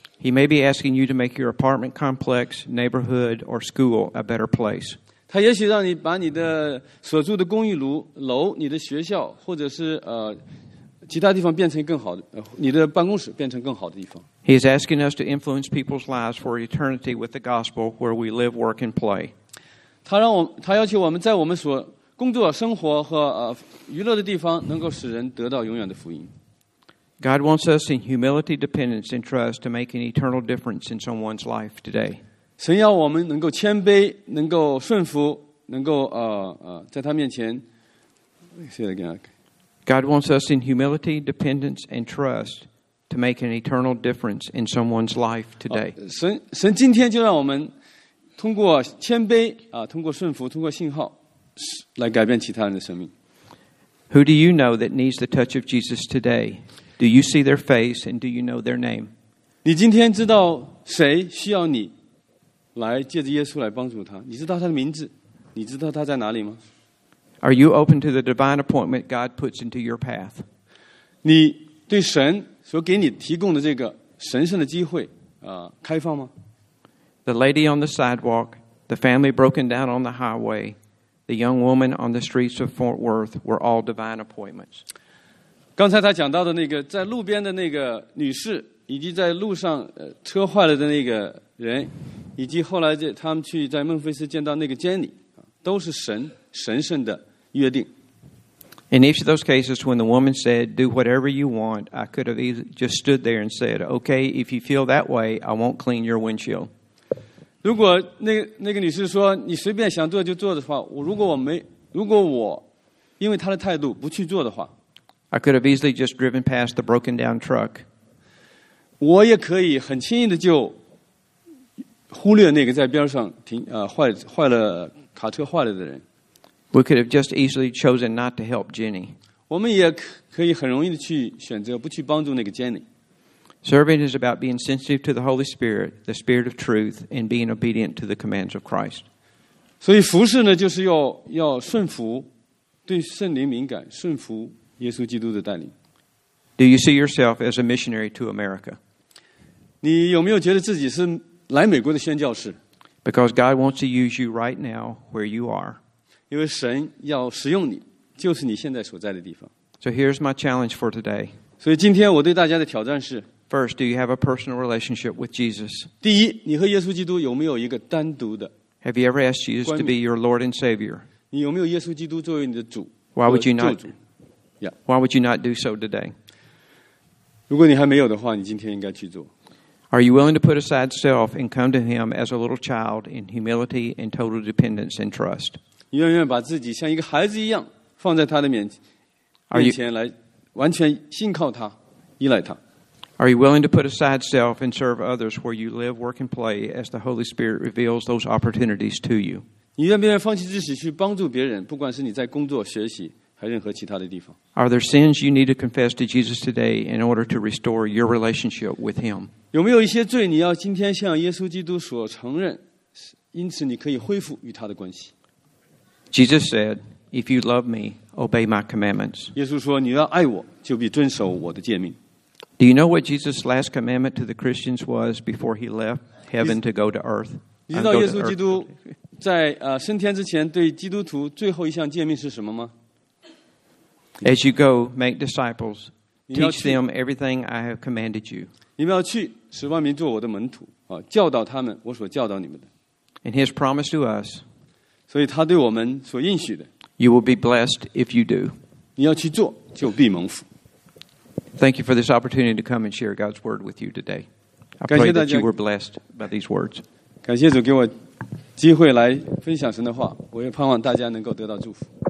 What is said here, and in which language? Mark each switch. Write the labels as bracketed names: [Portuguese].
[English] He may be asking you to make your apartment complex, neighborhood, or school a better place. [Chinese] 他也许让你把你的所住的公寓楼、楼、你的学校，或者是其他地方变成更好的，你的办公室变成更好的地方。 [English] He is asking us to influence people's lives for eternity with the gospel where we live, work, and play. [Chinese] 他要求我们在我们所工作、生活和娱乐的地方，能够使人得到永远的福音。 [English] God wants us in humility, dependence, and trust to make an eternal difference in someone's life today. [Chinese] 神要我们能够谦卑，能够顺服，能够在他面前。 [English] Say it again. God wants us in humility, dependence, and trust to make an eternal difference in someone's life today. [Chinese] 神今天就让我们通过谦卑通过顺服，通过信号，来改变其他人的生命。 [English] Who do you know that needs the touch of Jesus today? Do you see their face and do you know their name? [Chinese] 你今天知道谁需要你来借着耶稣来帮助他？你知道他的名字？你知道他在哪里吗？ [English] Are you open to the divine appointment God puts into your path? [Chinese] 你对神所给你提供的这个神圣的机会开放吗？ [English] The lady on the sidewalk, the family broken down on the highway, the young woman on the streets of Fort Worth were all divine appointments. [Chinese] 刚才他讲到的那个在路边的那个女士，以及在路上车坏了的那个人，以及后来他们去在孟菲斯见到那个监理，都是神圣的约定。 [English] In each of those cases, when the woman said, "Do whatever you want," I could have just stood there and said, "Okay, if you feel that way, I won't clean your windshield." [Chinese] 如果那个女士说你随便想做就做的话，如果我因为她的态度不去做的话。 [English] I could have easily just driven past the broken down truck. [Chinese] 我也可以很轻易的就忽略那个在边上停坏了卡车坏了的人。 [English] We could have just easily chosen not to help Jenny. [Chinese] 我们也可以很容易的去选择不去帮助那个 Jenny. [English] Serving is about being sensitive to the Holy Spirit, the Spirit of Truth, and being obedient to the commands of Christ. [Chinese] 所以服事呢，就是要顺服，对圣灵敏感，顺服。耶稣基督的带领。 [English] Do you see yourself as a missionary to America? [Chinese] 你有没有觉得自己是来美国的宣教士？ [English] Because God wants to use you right now where you are. [Chinese] 因为神要使用你，就是你现在所在的地方。 [English] So here's my challenge for today. [Chinese] 所以今天我对大家的挑战是： [English] First, do you have a personal relationship with Jesus? [Chinese] 第一，你和耶稣基督有没有一个单独的？ [English] Have you ever asked Jesus to be your Lord and Savior? [Chinese] 你有没有耶稣基督作为你的主？ [English] Why would you not? Yeah. Why would you not do so today? [Chinese] 如果你还没有的话，你今天应该去做。 [English] Are you willing to put aside self and come to Him as a little child in humility and total dependence and trust? [Chinese] 你愿不愿意把自己像一个孩子一样放在他的面前来完全信靠他，依赖他？ [English] Are you willing to put aside self and serve others where you live, work, and play as the Holy Spirit reveals those opportunities to you? [Chinese] 你愿不愿意放弃自己去帮助别人，不管是你在工作、学习？还任何其他的地方。 [English] Are there sins you need to confess to Jesus today in order to restore your relationship with Him? [Chinese] 有没有一些罪你要今天向耶稣基督所承认，因此你可以恢复与他的关系？ [English] Jesus said, "If you love me, obey my commandments." [Chinese] 耶稣说，你要爱我，就必遵守我的诫命。 [English] Do you know what Jesus' last commandment to the Christians was before he left heaven to go to earth? [Chinese] 你知道耶稣基督在升天之前对基督徒最后一项诫命是什么吗？ [English] As you go, make disciples. Teach them everything I have commanded you. [Chinese] 你们要去，使万民做我的门徒，教导他们我所教导你们的。 [English] And His promise to us. [Chinese] 所以他对我们所应许的。 [English] You will be blessed if you do. [Chinese] 你要去做，就必蒙福。 [English] Thank you for this opportunity to come and share God's word with you today. I pray that you were blessed by these words. [Chinese] 感谢主给我机会来分享神的话，我也盼望大家能够得到祝福。